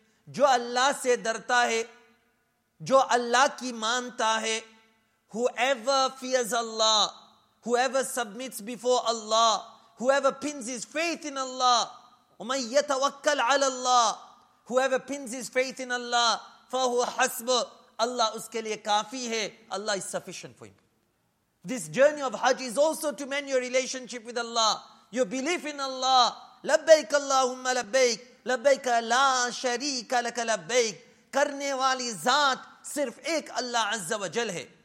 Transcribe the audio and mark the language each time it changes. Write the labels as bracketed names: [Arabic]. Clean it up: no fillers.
[Urdu] جو اللہ سے ڈرتا ہے, جو اللہ کی مانتا ہے, [English] whoever fears Allah, whoever submits before Allah, whoever pins his faith in Allah, [Arabic] وَمَنْ يَتَوَكَّلْ عَلَى اللَّهِ, [English] whoever pins his faith in Allah, [Arabic] فَهُوَ حَسْبُ, [Urdu] Allah اس کے لئے کافی ہے, [English] Allah is sufficient for him. This journey of Hajj is also to mend your relationship with Allah, your belief in Allah. [Arabic] لبيك اللهم لبيك لبيك لا شريك لك لبيك. [Urdu] کرنے والی ذات صرف ایک اللہ عز و جل ہے.